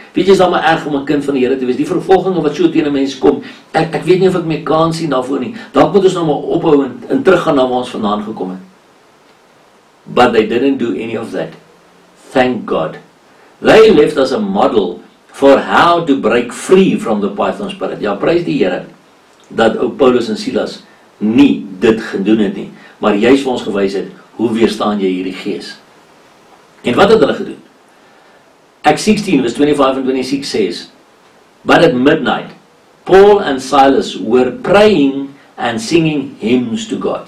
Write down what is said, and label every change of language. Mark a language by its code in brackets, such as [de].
[af] Weet jy, is allemaal erg om een kind van die Here te wees. Die vervolging wat so teen een mens kom, ek weet nie of ek meer kan sien daarvoor nie. Daar moet ons nou maar ophou en teruggaan na waar ons vandaan gekom het. [en] But they didn't do any of that. Thank God. They left as a model for how to break free from the Python spirit. [af] Ja, prys die Here dat ook Paulus en Silas nie dit gedoen het nie. Maar juist vir ons gewys het, hoe weerstaan jy hierdie gees? En wat het hulle gedoen? [en] Acts 16, verse 25 and 26 says, But at midnight, Paul and Silas were praying and singing hymns to God.